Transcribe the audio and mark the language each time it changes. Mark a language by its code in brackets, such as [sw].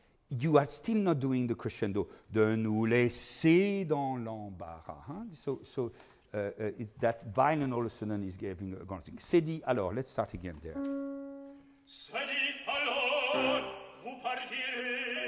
[en] You are still not doing the crescendo. [fr] De nous laisser dans l'embarras. Huh? [en] So it's that violin all of a sudden is giving a grunting. [fr] C'est dit alors. [en] Let's start again there. [fr] C'est dit alors, vous partirez.